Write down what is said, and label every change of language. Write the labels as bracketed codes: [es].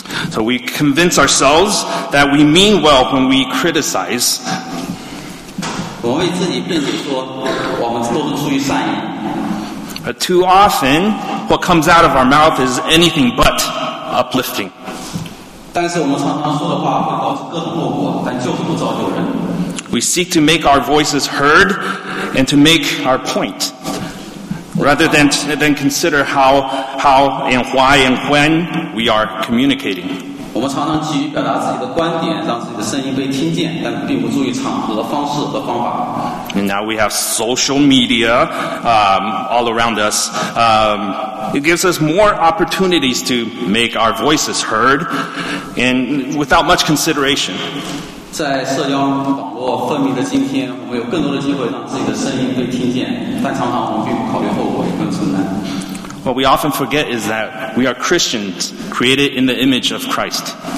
[en] So we convince ourselves that we mean well when we criticize. [zh] 我为自己辩解说，我们都是出于善意。 [en] But too often, what comes out of our mouth is anything but uplifting. [zh] 但是我们常常说的话会导致各种后果，但就是不造就人。 [en] We seek to make our voices heard and to make our point, rather than consider how and why and when we are communicating. [zh] 我们常常急于表达自己的观点，让自己的声音被听见，但并不注意场合、方式和方法。 [en] And now we have social media all around us. It gives us more opportunities to make our voices heard, and without much consideration. [zh] 在社交网络奋力的今天，我们有更多的机会让自己的声音被听见，但常常我们并不考虑后果，也更承担。 [en] What we often forget is that we are Christians created in the image of Christ.